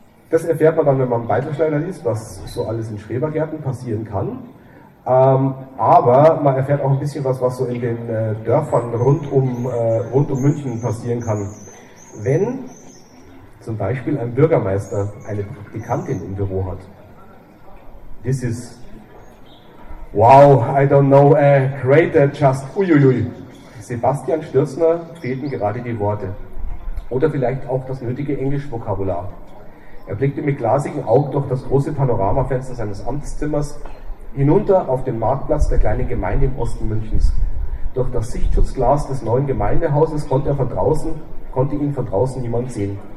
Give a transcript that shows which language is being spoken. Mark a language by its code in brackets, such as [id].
[de] Das erfährt man dann, wenn man Beidelschneider liest, was so alles in Schrebergärten passieren kann. Aber man erfährt auch ein bisschen was so in den Dörfern rund um München passieren kann. Wenn zum Beispiel ein Bürgermeister eine Praktikantin im Büro hat. [en] This is, wow, I don't know, great, that just, uiuiui. [de] Sebastian Stürzner fehlten gerade die Worte. Oder vielleicht auch das nötige Englisch-Vokabular. Er blickte mit glasigen Augen durch das große Panoramafenster seines Amtszimmers hinunter auf den Marktplatz der kleinen Gemeinde im Osten Münchens. Durch das Sichtschutzglas des neuen Gemeindehauses konnte ihn von draußen niemand sehen.